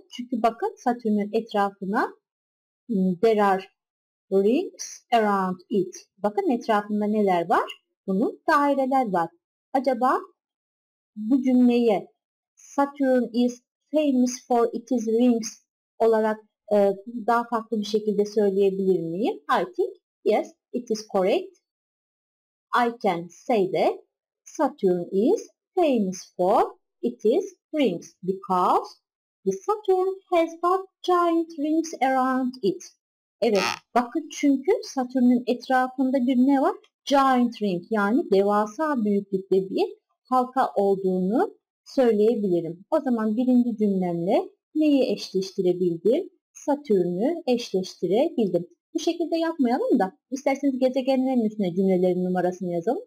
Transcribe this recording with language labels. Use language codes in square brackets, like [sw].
[tr] Çünkü bakın Satürn'ün etrafına [en] there are rings around it. [tr] Bakın etrafında neler var? Bunun daireler var. Acaba bu cümleye [en] Saturn is famous for its rings [tr] olarak daha farklı bir şekilde söyleyebilir miyim? [en] I think yes it is correct. I can say that Saturn is famous for its rings because the Saturn has got giant rings around it. [tr] Evet, bakın çünkü Satürn'ün etrafında bir ne var? [en] Giant ring [tr] yani devasa büyüklükte bir halka olduğunu söyleyebilirim. O zaman birinci cümlemle neyi eşleştirebildim? Satürn'ü eşleştirebildim. Bu şekilde yapmayalım da isterseniz gezegenlerin üstüne cümlelerin numarasını yazalım.